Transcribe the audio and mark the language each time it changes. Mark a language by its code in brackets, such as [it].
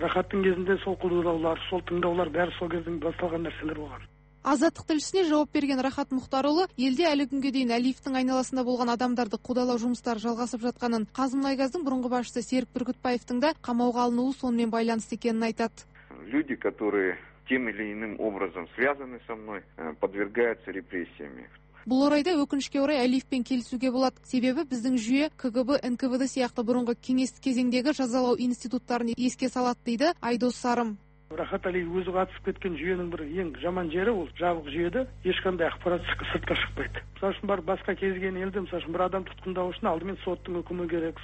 [kk] Рахаттың кезінде сол құрылдаулар, сол тыңдаулар бәрі сол кездің басталған нәрселер болған. Азаттық тілшісіне жауап берген Рахат Мұхтарұлы, елде әлі күнге дейін Алиевтің айналасында болған адамдарды қудалау жұмыстары жалғасып жатқанын, Қазмұнайгаздың бұрынғы басшысы Серік Бүркітбаевтың да қамауға алынуы сонымен байланысты екенін айтады. [ru] Люди, которые тем или иным образом связаны со мной, подвергаются репрессиями. [kk] Бұл орайда өкінішке орай Алиевпен келісуге болады. Себебі біздің жүйе КГБ, НКВД сияқты бұрынғы кеңестік кезеңдегі жазалау институттарын еске салады, дейді Айдос Сарым. Рахат Алиев өзі қатысып кеткен жүйенің бір ең жаман жері ол жабық жүйеде ешқандай ақпарат сыртқа шықпайды. Мысалы үшін бар басқа кезген елде мысалы үшін бір адам тұтқындау үшін алдымен соттың үкімі керек.